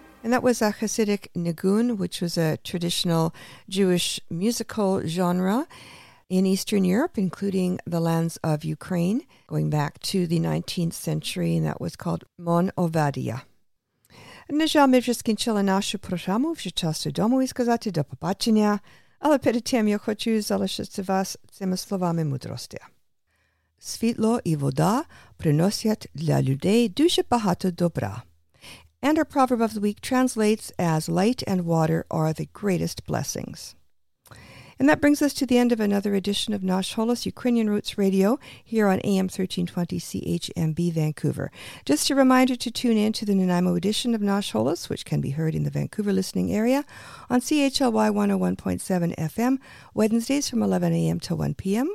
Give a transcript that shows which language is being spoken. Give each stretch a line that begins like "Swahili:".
English: that was a Hasidic nigun, which was a traditional Jewish musical genre in Eastern Europe, including the lands of Ukraine, going back to the 19th century, and that was called Mon Ovadia.
Ukrainian: Нажал ми вже скінчили нашу програму, вже час додому і сказати до побачення, але перед тим я хочу залишити вас цими словами мудрості. Світло і вода приносять для людей дуже багато добра.
English: And our proverb of the week translates as light and water are the greatest blessings. And that brings us to the end of another edition of Nash Holos, Ukrainian Roots Radio, here on AM 1320 CHMB Vancouver. Just a reminder to tune in to the Nanaimo edition of Nash Holos, which can be heard in the Vancouver listening area, on CHLY 101.7 FM, Wednesdays from 11 a.m. to 1 p.m.